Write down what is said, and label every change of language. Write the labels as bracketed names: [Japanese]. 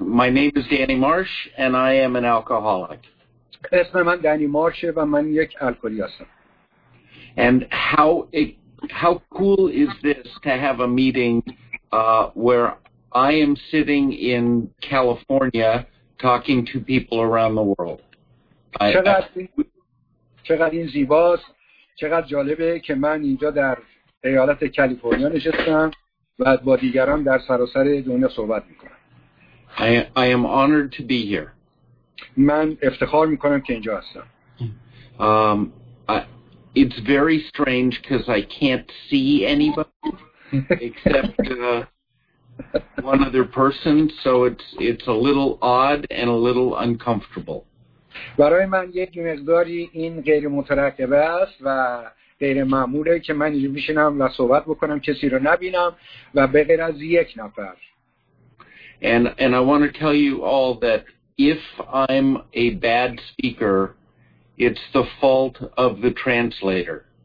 [English] My name is Danny Marsh, and I am an alcoholic. [Persian] اسم من دانی مارش و من یک الکلی هستم. [English] And how cool is this to have a meeting where I am sitting in California talking to people around the world. [Persian] چقدر این زیباست، چقدر جالبه که من اینجا در ایالت کالیفرنیا نشستم و با دیگران در سراسر دنیا صحبت میکنم. [English] I am honored to be here. [Persian] من افتخار میکنم که اینجا هستم. [English] It's very strange because I can't see anybody except one other person, so it's a little odd and a little uncomfortable. [Persian] برای من یک مقداری این غیر مترقبه است و غیر معموله که من اینجا بشینم و صحبت بکنم، کسی رو نبینم و به غیر از یک نفر. [English] And I want to tell you all that if I'm a bad speaker, it's the fault of the translator.